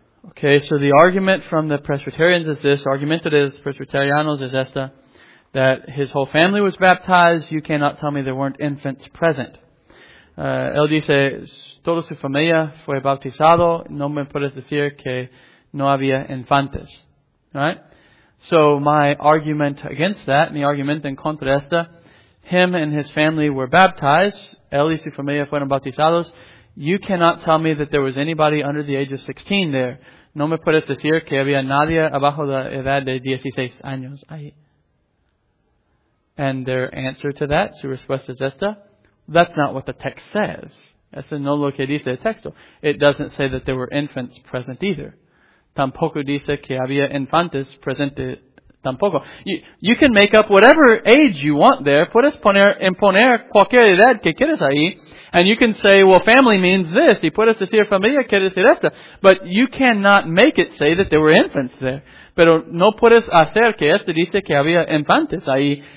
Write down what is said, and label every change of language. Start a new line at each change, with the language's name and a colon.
English: Okay, so the argument from the Presbyterians is this,
Spanish: argumentatives Presbyterianos is esta,
English: that his whole family was baptized, you cannot tell me there weren't infants present.
Spanish: Él dice, toda su familia fue bautizado, no me puedes decir que no había infantes.
English: Right? So my argument against that,
Spanish: mi argumento en contra de esta,
English: him and his family were baptized,
Spanish: él y su familia fueron bautizados,
English: you cannot tell me that there was anybody under the age of 16 there.
Spanish: No me puedes decir que había nadie abajo de la edad de 16 años ahí.
English: And their answer to that,
Spanish: su respuesta es esta.
English: That's not what the text says.
Spanish: Eso no lo que dice el texto.
English: It doesn't say that there were infants present either.
Spanish: Tampoco dice que había infantes presente tampoco.
English: You can make up whatever age you want there.
Spanish: Puedes poner, imponer cualquier edad que quieras ahí.
English: And you can say, well, family means this.
Spanish: Y puedes decir familia quiere decir esta.
English: But you cannot make it say that there were infants there.
Spanish: Pero no puedes hacer que esto dice que había infantes ahí.